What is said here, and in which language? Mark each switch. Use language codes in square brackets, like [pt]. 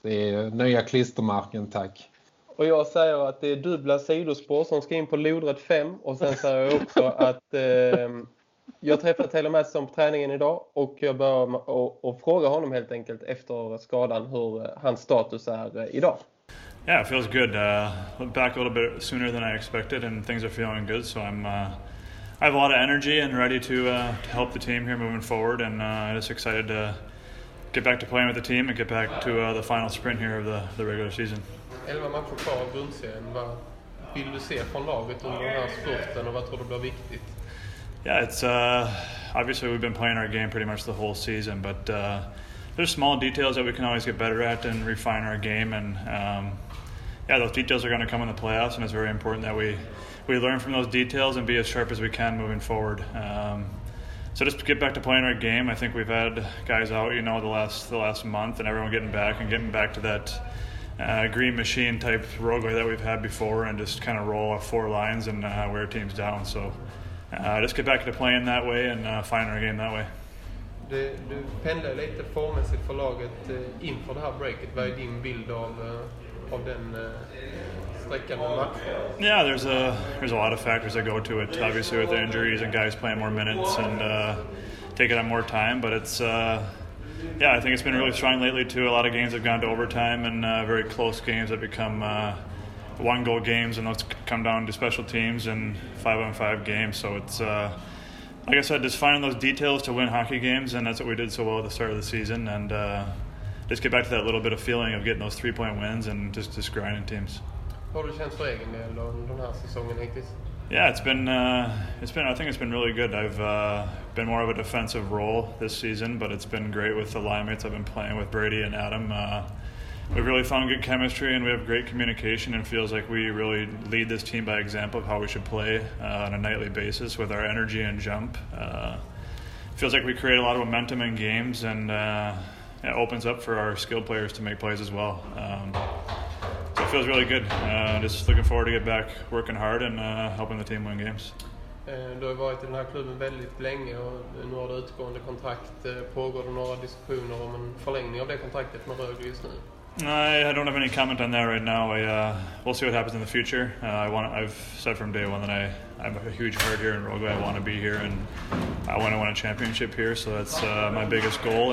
[sv] Det är nya klistermärken, tack. Och jag säger att det är dubbla sidospår som ska in på lodret 5. Och sen säger jag också att jag träffade Taylor Madison på träningen idag. Och jag börjar och fråga honom helt enkelt efter skadan hur hans status är idag. [en] Yeah, it feels good. Back a little bit sooner than I expected and things are feeling good. So I have a lot of energy and ready to help the team here moving forward. And I'm just excited to get back to playing with the team and get back to the final sprint here of the regular season. [sv] 11 matcher kvar av grundserien. Vad vill du se från laget under den här spurten och vad tror du blir viktigt? [en] Yeah, it's obviously we've been playing our game pretty much the whole season, but there's small details that we can always get better at and refine our game, and yeah, those details are going to come in the playoffs, and it's very important that we learn from those details and be as sharp as we can moving forward. So just get back to playing our game. I think we've had guys out, you know, the last month, and everyone getting back to that green machine type roguelite that we've had before, and just kind of roll off four lines and wear teams down. So just get back to playing that way and find our game that way. [sv] Du pendlar lite formmässigt för laget inför det här breaket. Vad är din bild av den sträckan av matchen? [en] Yeah, there's a lot of factors that go to it. Obviously with the injuries and guys playing more minutes and taking on more time, but it's yeah, I think it's been really strong lately too. A lot of games have gone to overtime and very close games have become one goal games, and those come down to special teams and 5-on-5 games. So it's like I said, just finding those details to win hockey games, and that's what we did so well at the start of the season. And just get back to that little bit of feeling of getting those 3-point wins and just grinding teams. How do you feel for [sv] egen del under den här säsongen hittills? [en] Yeah, I think it's been really good. I've been more of a defensive role this season, but it's been great with the line mates I've been playing with, Brady and Adam. We've really found good chemistry and we have great communication, and feels like we really lead this team by example of how we should play on a nightly basis with our energy and jump. Feels like we create a lot of momentum in games, and it opens up for our skilled players to make plays as well. So it feels really good. Just looking forward to get back working hard and helping the team win games. [sv] Du har varit i den här klubben väldigt länge och nu har du utgående kontrakt. Pågår det några diskussioner om en förlängning av det kontraktet med Rögle just nu? [en] I don't have any comment on that right now. We'll see what happens in the future. I've said from day one that I'm a huge heart here in Rogue. I want to be here and I want to win a championship here. So that's my biggest goal.